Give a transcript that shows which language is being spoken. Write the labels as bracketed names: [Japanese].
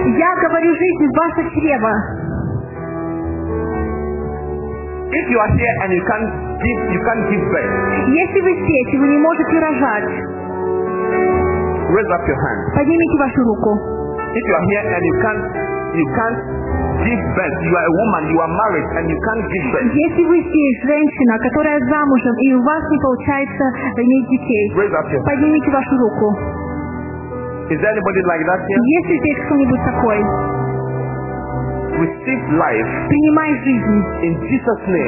[Russian] Я говорю жизнь в ваше чрево. [English] If you are here and you can't give birth. [Russian] Если вы здесь и вы не можете рожать. [English] Raise up your hand. [Russian] Поднимите вашу руку. [English] If you are here and you can't give birth, you are a woman, you are married and you can't give birth. [Russian] Если вы здесь женщина, которая замужем и у вас не получается иметь детей. [English] Raise up your hand. [Russian] Поднимите вашу руку. [English] Is there anybody like that here? [Russian] Есть ли здесь кто-нибудь такой? [English] Receive life. [Russian] Принимай жизнь. [English] In Jesus' name.